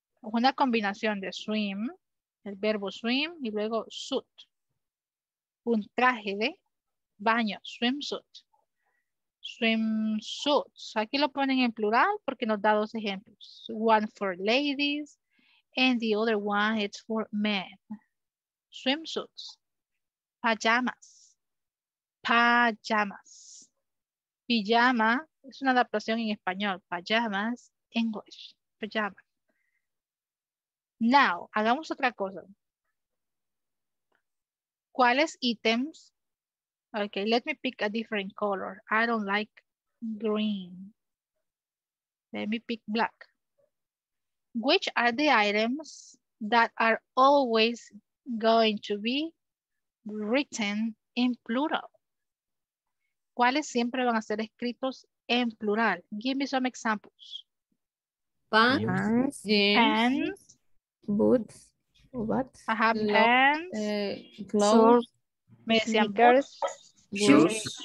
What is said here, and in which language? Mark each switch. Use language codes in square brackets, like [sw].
[es] Una combinación de swim, el verbo swim, y luego suit. Un traje de baño, swim suit. Swim suits. Aquí lo ponen en plural porque nos da dos ejemplos. [en] One for ladies and the other one it's for men. Swim suits. Pajamas. Pajamas. [es] Pijama es una adaptación en español. Pajamas, English. Pajama. Now, hagamos otra cosa. ¿Cuáles ítems? [en] Okay, let me pick a different color. I don't like green. Let me pick black. Which are the items that are always going to be written in plural? [es] ¿Cuáles siempre van a ser escritos en plural? [en] Give me some examples. Pants. Pants. Boots. What? I have pants. Clothes. Sneakers. Sneakers. Shoes.